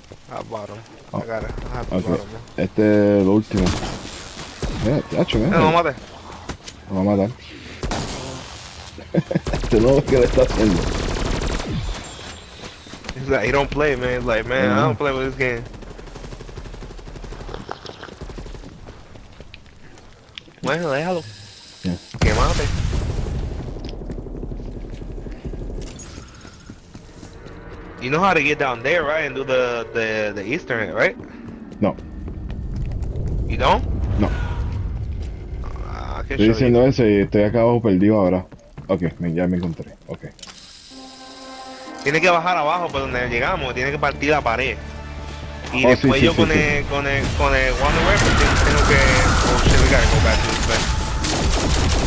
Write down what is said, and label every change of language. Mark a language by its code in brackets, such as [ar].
[es] Ah, este es lo último. No, mate. Lo va a matar. Este no es lo que le está haciendo. [en] He's like, he don't play, man. He's like, man, I don't play with this game. [es] Bueno, déjalo. Que mate. [en] You know how to get down there, right? And do the Eastern, right? [es] No. [en] You don't? [es] No. Estoy diciendo eso y estoy acá abajo perdido ahora. [en] Ok, [es] ya me encontré. Ok. Tiene que bajar abajo por donde llegamos, tiene que partir la pared. Y después con el Wonder Weapon tengo que... [en] Oh shit, we gotta go back to this